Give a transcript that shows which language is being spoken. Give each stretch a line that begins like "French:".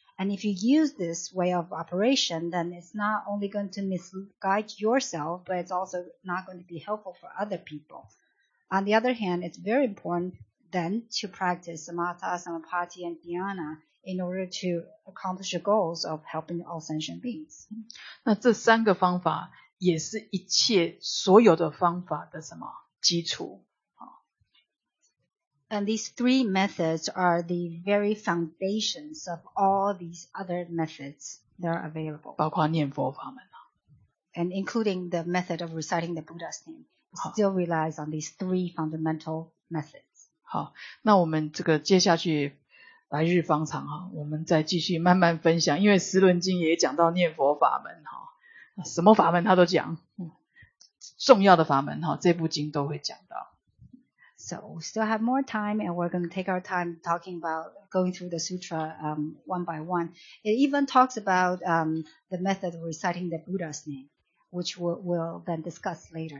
English: And if you use this way of operation, then it's not only going to misguide yourself, but it's also not going to be helpful for other people. On the other hand, it's very important then to practice samatha, samapatti, and dhyana in order to accomplish the goals of helping all sentient beings.
Chinese: 那这三个方法也是一切所有的方法的什么基础。
English: And these three methods are the very foundations of all these other methods that are available.
Chinese: 包括念佛法门。
English: And including the method of reciting the Buddha's name. Still relies on these three fundamental methods.
Chinese: 好，那我们这个接下去来日方长，我们再继续慢慢分享，因为十轮经也讲到念佛法门，什么法门他都讲，重要的法门这部经都会讲到。
English: So we still have more time and we're going to take our time talking about going through the sutra one by one. It even talks about the method of reciting the Buddha's name, which we'll then discuss later.